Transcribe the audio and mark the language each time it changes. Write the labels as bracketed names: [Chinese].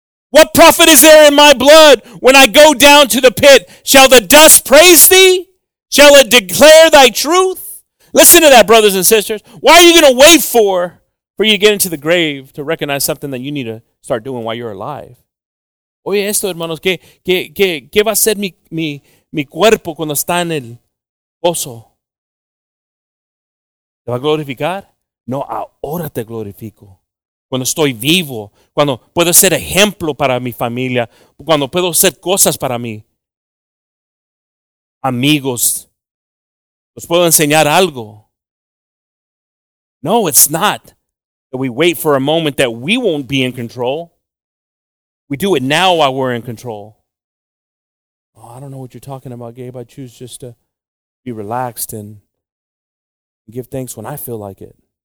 [English] What profit is there in my blood when I go down to the pit? Shall the dust praise thee? Shall it declare thy truth? Listen to that, brothers and sisters. Why are you going to wait for you to get into the grave to recognize something that you need to start doing while you're alive? [Spanish] Oye esto, hermanos. ¿Qué va a ser mi cuerpo cuando está en el pozo? ¿Te va a glorificar? No, ahora te glorifico. Cuando estoy vivo, cuando puedo ser ejemplo para mi familia, cuando puedo hacer cosas para mí. Amigos, ¿os puedo enseñar algo? [English] No, it's not that we wait for a moment that we won't be in control. We do it now while we're in control. Oh, I don't know what you're talking about, Gabe. I choose just to be relaxed and give thanks when I feel like it.